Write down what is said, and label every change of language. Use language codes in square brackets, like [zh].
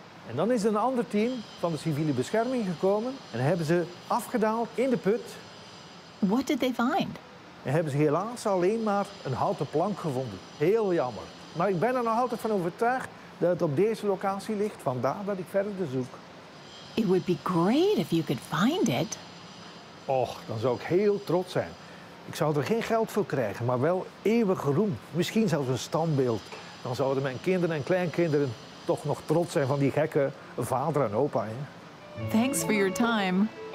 [nl] En dan is een ander team van de civiele bescherming gekomen en hebben ze afgedaald in de put. [en] What did they find? [nl] En hebben ze helaas alleen maar een houten plank gevonden. Heel jammer. Maar ik ben er nog altijd van overtuigd dat het op deze locatie ligt. Vandaar dat ik verder zoek. [en] It would be great if you could find it. [nl] Och, dan zou ik heel trots zijn. Ik zou er geen geld voor krijgen, maar wel eeuwig roem. Misschien zelfs een standbeeld. Dan zouden mijn kinderen en kleinkinderen toch nog trots zijn van die gekke vader en opa. Hè? [en] Thanks for your time.